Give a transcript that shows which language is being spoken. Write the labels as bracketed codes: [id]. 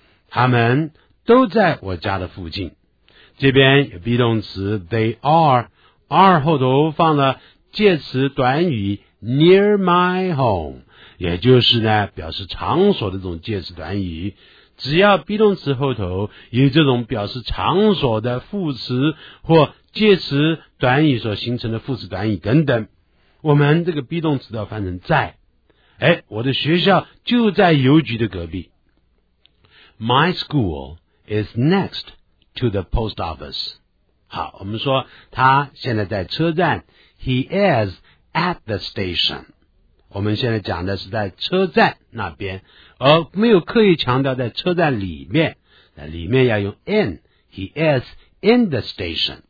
[zh] 他们都在我家的附近。这边有 be 动词 they are 后头放了介词短语 near my home, 也就是呢表示场所的这种介词短语。只要 be 动词后头有这种表示场所的副词或介词短语所形成的副词短语等等。我们这个 be 动词要翻成在。诶,我的学校就在邮局的隔壁。 [en] My school is next to the post office. [zh] 好,我们说他现在在车站。 [en] He is at the station. [zh] 我们现在讲的是在车站那边。而没有刻意强调在车站里面。那里面要用 in. He is in the station.